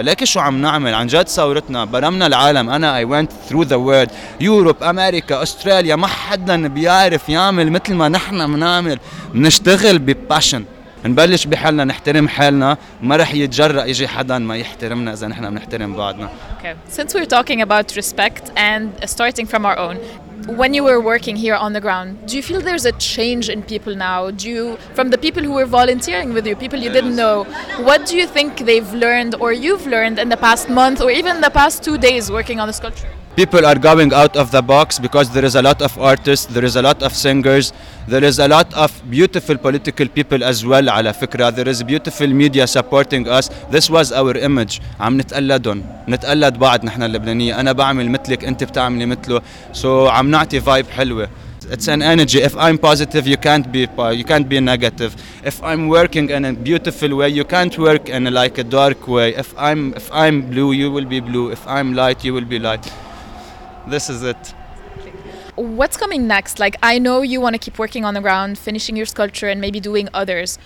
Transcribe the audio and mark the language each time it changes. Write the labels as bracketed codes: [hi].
[ar] ليك شو عم نعمل عن جد، ثورتنا برمنا العالم. انا [en] I went through the world، [ar] يوروب، امريكا، استراليا، ما حدا بيعرف يعمل مثل ما نحن منعمل. منشتغل بباشن، نبلش بحالنا، نحترم حالنا، ما رح يتجرأ يجي حدا ما يحترمنا إذا نحن بنحترم بعضنا. [en] Okay. Since we're talking about respect and starting from our own, when you were working here on the ground, do you feel there's a change in people now? Do you, from the people who were volunteering with you, people you didn't know, what do you think they've learned or you've learned in the past month or even the past 2 days working on the sculpture? People are going out of the box because there is a lot of artists, there is a lot of singers, there is a lot of beautiful political people as well [ar] على فكرة. [en] There is beautiful media supporting us. This was our image. [ar] عم نتقلدهم، نتقلد بعض نحن اللبنانية. أنا بعمل مثلك، أنت بتعملي مثله، so عم نعطي vibe حلوة. [en] It's an energy. If I'm positive, you can't be negative. If I'm working in a beautiful way, you can't work in like a dark way. If I'm blue, you will be blue. If I'm light, you will be light. This is it. What's coming next? Like, I know you want to keep working on the ground, finishing your sculpture and maybe doing others.